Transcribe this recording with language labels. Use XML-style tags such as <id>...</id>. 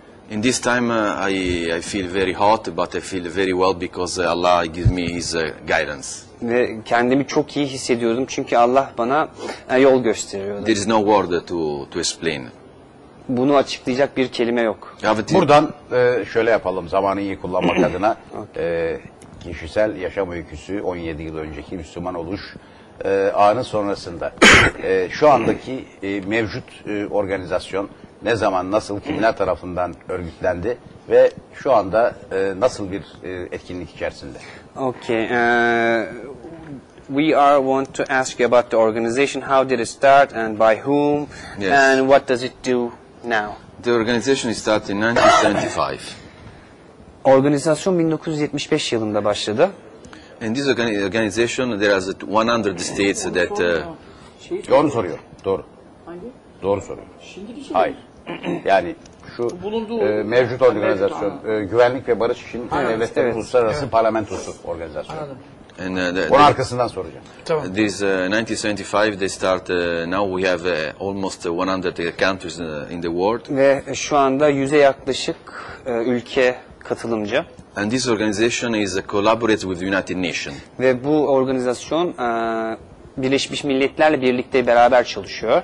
<en>In this time I feel very hot but I feel very well because Allah gives me his guidance.</en> <tr>Ve kendimi çok iyi hissediyordum çünkü Allah bana yol gösteriyordu.</tr> <en>There is no word to explain.</en> <tr>Bunu açıklayacak bir kelime yok. Buradan şöyle yapalım zamanı iyi kullanmak adına. Kişisel yaşam öyküsü 17 yıl önceki Müslüman oluş anı sonrasında şu andaki mevcut organizasyon ne zaman nasıl kimler tarafından örgütlendi ve şu anda nasıl bir etkinlik içerisinde?</tr> <en>Okay, we are want to ask you about the organization. How did it start and by whom? Yes. And what does it do now? The organization started in 1975.</en> <tr>Organizasyon 1975 yılında başladı.</tr> <en>In this organization there are 100 states that</en> <tr>doğru soruyor. Doğru. Hangi? Doğru soruyor. Şimdiki hayır. Yani şu mevcut organizasyon güvenlik ve barış için devletler evet. Uluslararası evet. Parlamentosu organizasyon. Anladım. Onun arkasından soracağım. Tamam.</tr> <en>This 1975 they start now we have almost 100 countries in the world.</en> <tr>Ve şu anda 100'e yaklaşık ülke katılımcı.</tr> <en>And this organization is collaborates with United Nations.</en> <tr>Ve bu organizasyon Birleşmiş Milletler'le birlikte beraber çalışıyor.</tr>